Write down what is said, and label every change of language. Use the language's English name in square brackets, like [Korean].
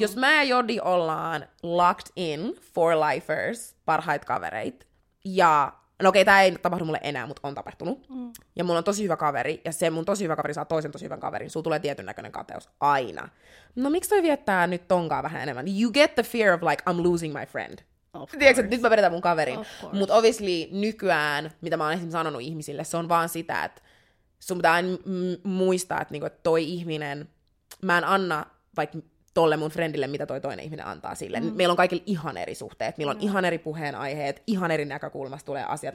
[Finnish] Jos mä ja Jodi ollaan [English] locked in, for lifers, [Finnish] parhait kavereit, ja... No okei, tää ei tapahdu mulle enää, mut on tapahtunut. Mm. Ja mulla on tosi hyvä kaveri, ja se mun tosi hyvä kaveri saa toisen tosi hyvän kaverin. Sulla tulee tietyn näköinen kateus, aina. No miksi toi viettää nyt tonkaan vähän enemmän? [English] You get the fear of like, I'm losing my friend. [Finnish] Tiedätkö, nyt mä vedetään mun kaverin. Mut obviously nykyään, mitä mä oon esimerkiksi sanonut ihmisille, se on vaan sitä, että sun pitää muistaa, että niinku, toi ihminen, mä en anna vaikka tolle mun friendille, mitä toi toinen ihminen antaa sille. Mm. Meillä on kaikille ihan eri suhteet. Meillä on ihan eri puheenaiheet, ihan eri näkökulmasta tulee asiat.